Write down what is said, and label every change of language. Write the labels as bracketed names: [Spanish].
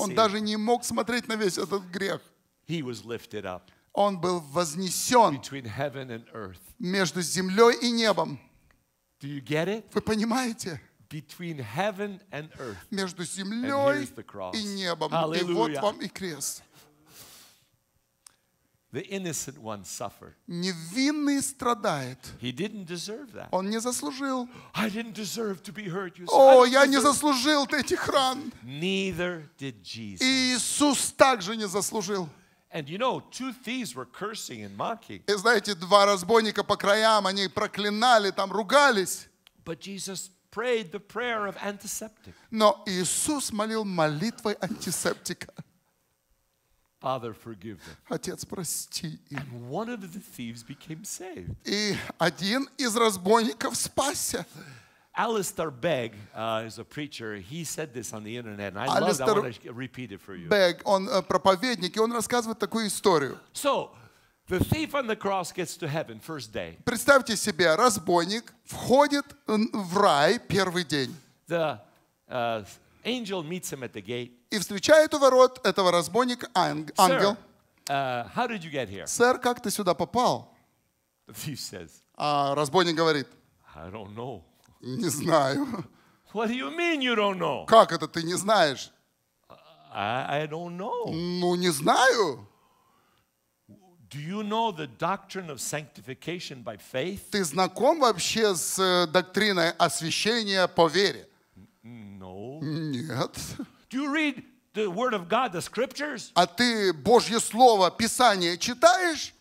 [Russian] Он даже не мог смотреть на весь этот грех. [English] He was lifted up. [Russian] Он был вознесен [English] between heaven and earth. [Russian] Между землей и небом. [English] Do you get it? [Russian] Вы понимаете? [English] Between heaven and earth. [Russian] Между землей [English] and here's the cross. [Russian] И небом. [English] Hallelujah. [Russian] И вот вам и крест. [English] The innocent one suffered. [Russian] Невинный страдает. [English] He didn't deserve that. [Russian] Он не заслужил. [English] I didn't deserve to be hurt. [Russian] О, я не заслужил этих ран. [English] Neither did Jesus. [Russian] Иисус также не заслужил. [English] And you know, two thieves were cursing and mocking. [Russian] И знаете, два разбойника по краям, они проклинали, там ругались. [English] But Jesus prayed the prayer of antiseptic. [Russian] Но Иисус молил молитвой антисептика. [English] Father, forgive them. [Russian] Отец, прости им. [English] And one of the thieves became saved. [Russian] И один из разбойников спасся. [English] Alistair Begg is a preacher. He said this on the internet, and I love that. I want to repeat it for you. [Russian] Begg, он проповедник, и он рассказывает такую историю. [English] So, the thief on the cross gets to heaven first day. [Russian] Представьте себе, разбойник входит в рай первый день. [English] The angel meets him at the gate. [Russian] И встречает у ворот этого разбойника ангел. [English] How did you get here? [Russian] Сэр, как ты сюда попал? [English] The thief says, [Russian] а разбойник говорит, [English] I don't know. [Russian] Не знаю. [English] What do you mean you don't know? [Russian] Как это ты не знаешь? [English] I don't know. [Russian] Ну, не знаю. [English] Do you know the doctrine of sanctification by faith? [Russian] Ты знаком вообще с доктриной освящения по вере? [English] No. [Russian] Нет. [English] Do you read the word of God, the scriptures? [Russian] А ты Божье слово, Писание читаешь?